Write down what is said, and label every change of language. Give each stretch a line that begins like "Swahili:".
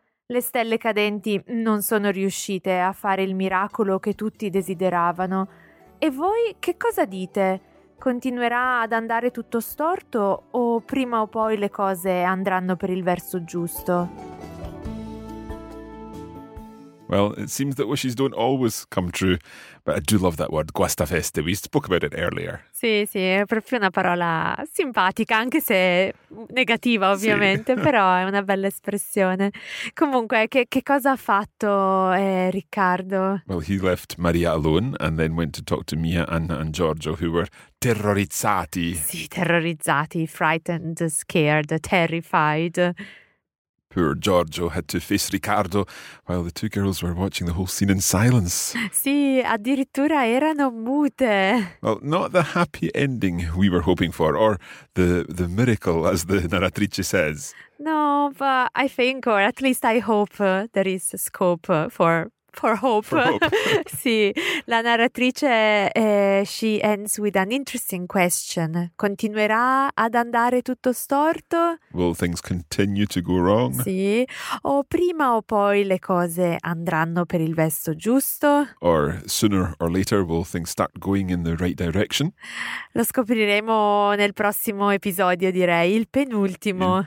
Italian: Le stelle cadenti non sono riuscite a fare il miracolo che tutti desideravano. E voi che cosa dite? Continuerà ad andare tutto storto o prima o poi le cose andranno per il verso giusto?
English: Well, it seems that wishes don't always come true, but I do love that word, guastafeste. We spoke about it earlier.
Italian: Sì, sì, è proprio una parola simpatica, anche se negativa, ovviamente, sì. Però è una bella espressione. Comunque, che cosa ha fatto Riccardo?
English: Well, he left Maria alone and then went to talk to Mia, Anna and Giorgio, who were terrorizzati.
Italian: Sì, terrorizzati,
English: frightened, scared, terrified. Poor Giorgio had to face Riccardo while the two girls were watching the whole scene in silence.
Italian: Sì, addirittura erano mute.
English: Well, not the happy ending we were hoping for, or the miracle, as the narratrice says. No, but I think, or at least I hope, there is scope for hope. For hope.
Italian: Sì, la narratrice,
English: she ends with an interesting question.
Italian: Continuerà ad andare tutto storto?
English: Will things continue to go wrong?
Italian: Sì, o prima o poi le cose andranno per il verso giusto?
English: Or sooner or later will things start going in the right direction?
Italian: Lo scopriremo nel prossimo episodio, direi, il penultimo.